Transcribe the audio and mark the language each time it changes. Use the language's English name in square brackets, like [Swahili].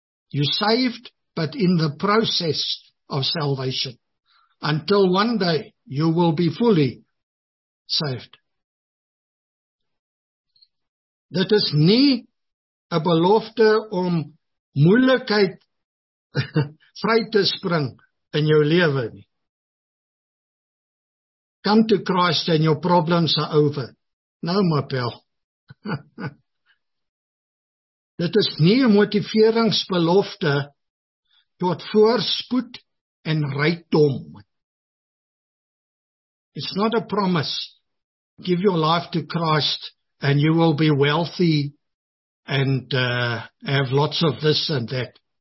[English] You're saved, but in the process of salvation. Until one day you will be fully saved. [Afrikaans] Dit is nie 'n belofte om moeilikheid vry te spring in jou lewe nie. [English] Come to Christ and your problems are over. [Afrikaans] Nou my pel. Dit is nie 'n motiveringsbelofte tot voorspoed en rykdom. [English] It's not a promise. Give your life to Christ and you will be wealthy and have lots of this and that.